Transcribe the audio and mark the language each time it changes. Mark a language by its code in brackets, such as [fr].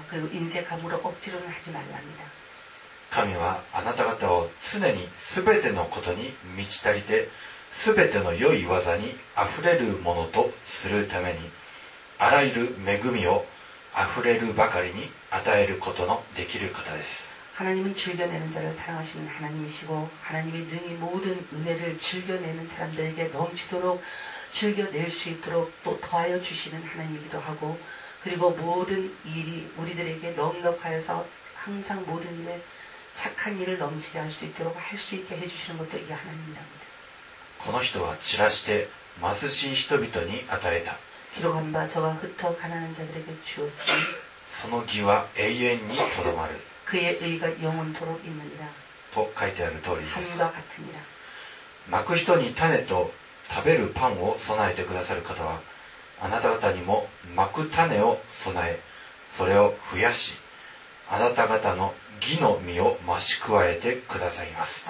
[ko] 그리고인색함으로억지로는하지말랍니다。 [ja] 神はあなた方を常にすべてのことに満ち足りてすべての良い技にあふれるものとするためにあらゆる恵みをあふれるばかりに与えることのできる方です。 [ko] 하나님은즐겨내는자를사랑하시는하나님이시고하나님이능히모든은혜를즐겨내는사람들에게넘치도록즐겨낼수있도록또더하여주시는하나님이기도하고그리고모든일이우리들에게넉넉하여서항상모든일에착한일을넘치게할수있도록할수있게해주시는것도이하나님이랍니다。 [ja] この人は散らして貧しい人々に与えた。 [ko] 기록한바저가흩어가난한자들에게주었으니 [ja] その義は永遠にとどまる。 [ko] 그의의가영원토록있느니라 [ja] と書いてある通りです。 [ko] 함과같으니라 [ja] まく人に種と食べるパンを備えてくださる方はあなた方にも蒔く種を備え、それを増やし、あなた方の義の実を増し加えてくださいます。